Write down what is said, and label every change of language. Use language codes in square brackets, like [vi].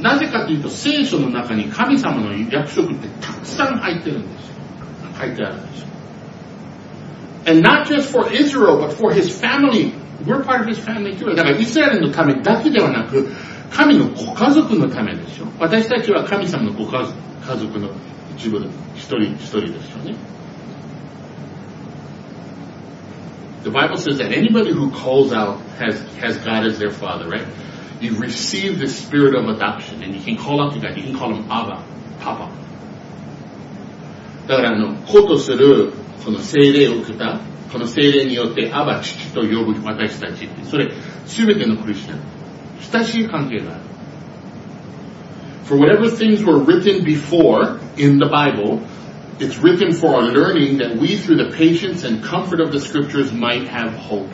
[ja] なぜかというと、聖書の中に神様の約束ってたくさん入ってるんですよ。書いてあるんですよ。 [en] And not just for Israel, but for his family. We're part of his family too. [ja] だからイスラエルのためだけではなく、神のご家族のためですよ。私たちは神様のご家族の一部、一人ですよね。 [en] The Bible says that anybody who calls out has God as their father, right? You receive the spirit of adoption, and you can call out to God. You can call him Abba, Papa. [ja] だから、子とする、この聖霊を受けた、この聖霊によって、アバ、父と呼ぶ私たちって、それ、すべてのクリスチャン、親しい関係がある。 [en] For whatever things were written before in the Bible, it's written for our learning that we, through the patience and comfort of the scriptures, might have hope.